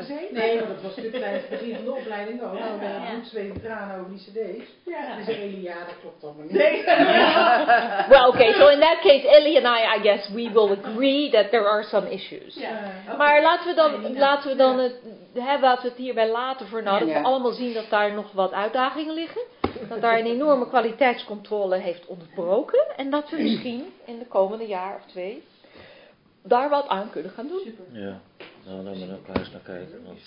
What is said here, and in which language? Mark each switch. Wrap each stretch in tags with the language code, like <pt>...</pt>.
<nl>Nee, want het was natuurlijk bij het begin van de opleiding. Dan hadden we een bloed, zweet en tranen over die cd's. Ja. Dus Ellie, ja, dat klopt dan maar niet. Nee.</nl> <en>Well, okay, so in that case, Ellie and I guess we will agree that there are some issues.</en> <nl>Maar laten we dan het... Hebben we het hierbij laten voor nodig? We allemaal zien dat daar nog wat uitdagingen liggen. Dat daar een enorme kwaliteitscontrole heeft ontbroken. En dat we misschien in de komende jaar of twee daar wat aan kunnen gaan doen. Ja, dan gaan we ook eens naar kijken.</nl>